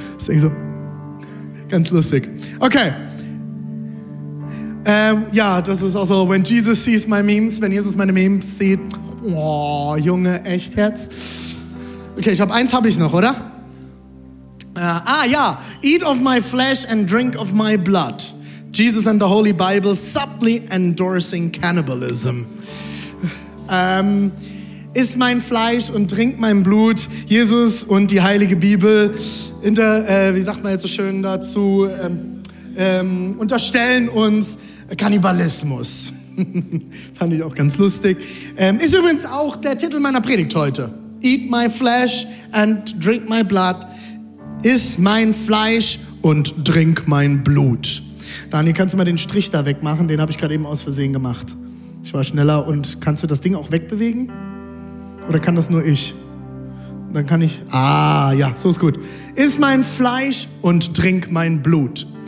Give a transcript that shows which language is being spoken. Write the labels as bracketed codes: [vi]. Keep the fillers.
[de] Das ist irgendwie so ganz lustig. Okay. Ähm, ja, das ist auch so, [en] when Jesus sees my memes, [de] wenn Jesus meine Memes sieht, oh, Junge, echt Herz. Okay, ich habe eins habe ich noch, oder? [en] Äh, ah ja, eat of my flesh and drink of my blood. Jesus and the Holy Bible subtly endorsing cannibalism. [de] Ähm, iss mein Fleisch und trink mein Blut. Jesus und die Heilige Bibel, inter, äh, wie sagt man jetzt so schön dazu, ähm, ähm, unterstellen uns Kannibalismus. Fand ich auch ganz lustig. Ähm, ist übrigens auch der Titel meiner Predigt heute. [en] Eat my flesh and drink my blood. [de] Iss mein Fleisch und trink mein Blut. Daniel, kannst du mal den Strich da wegmachen? Den habe ich gerade eben aus Versehen gemacht. Ich war schneller und kannst du das Ding auch wegbewegen? Oder kann das nur ich? Dann kann ich. Ah, ja, so ist gut. Iss mein Fleisch und trink mein Blut.